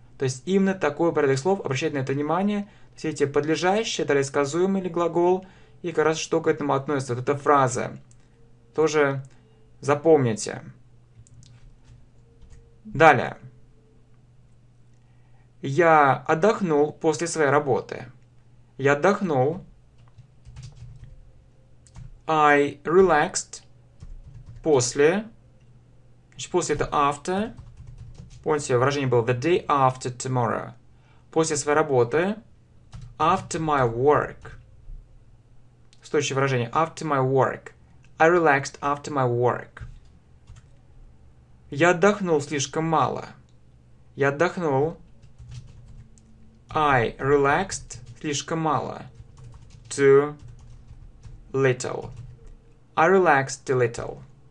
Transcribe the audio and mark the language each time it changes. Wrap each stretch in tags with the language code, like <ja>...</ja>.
<ru>То есть именно такой порядок слов, обращайте на это внимание. Все эти подлежащие, это рассказуемый или глагол. И как раз что к этому относится, вот эта фраза. Тоже запомните. Далее. Я отдохнул после своей работы. Я отдохнул.</ru> <en>I relaxed</en> <ru>после. Значит, после это after. Помните, выражение было</ru> <en>the day after tomorrow.</en> <ru>После своей работы.</ru> <en>After my work.</en> <ru>Стоящее выражение.</ru> <en>After my work. I relaxed after my work.</en> <ru>Я отдохнул слишком мало. Я отдохнул.</ru> <en>I relaxed</en> <ru>слишком мало.</ru> <en>Too little. I relaxed too little.</en>